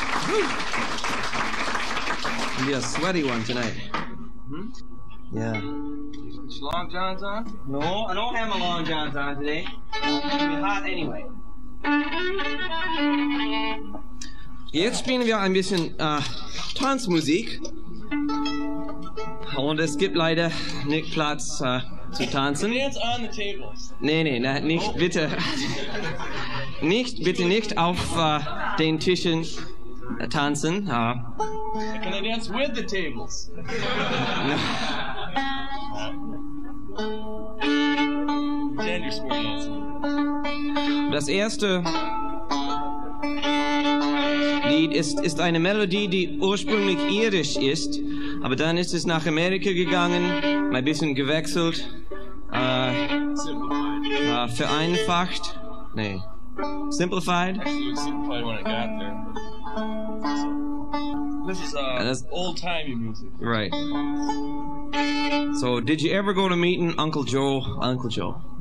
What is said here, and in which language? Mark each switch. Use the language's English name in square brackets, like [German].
[English] Be a sweaty one tonight. Mm-hmm. Yeah. Put your long johns on? No, I don't have my long johns on today. It'll be hot anyway. [German] Jetzt spielen wir ein bisschen Tanzmusik. Und es gibt leider nicht Platz zu tanzen. [English] Dance on the tables. [German] Nee, nicht bitte. Nicht, bitte nicht auf den Tischen. Tanzen, ja. [English] Can I dance with the tables? No. [German] Das erste Lied ist eine Melodie, die ursprünglich irisch ist, aber dann ist es nach Amerika gegangen, ein bisschen gewechselt, vereinfacht, nee, simplified. [English] Simplified when it got there. This is old-timey music. Right. So, did you ever go to meeting Uncle Joe? Uncle Joe.